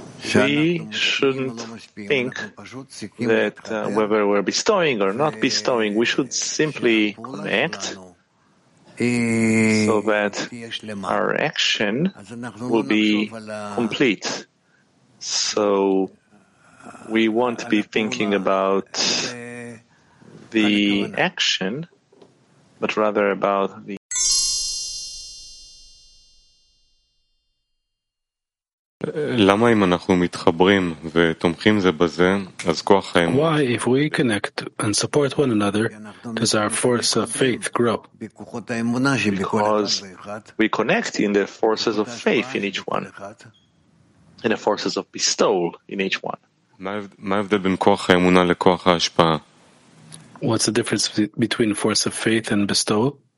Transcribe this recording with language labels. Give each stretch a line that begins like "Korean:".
English: We shouldn't think that whether we're bestowing or not bestowing, we should simply connect so that our action will be complete. So we won't be thinking about the action, but rather about the
Hebrew: למה אם אנחנו מתחברים ותומכים זה בזה, אז כוח חיים.
English: Why, if we connect and support one another, does our force of faith grow? Because we connect in the forces of faith in each one, in the forces of bestowal in each one.
Hebrew: מה ההבדל בין כוח האמונה לכוח ההשפעה?
English: What's the difference between force of faith and bestowal?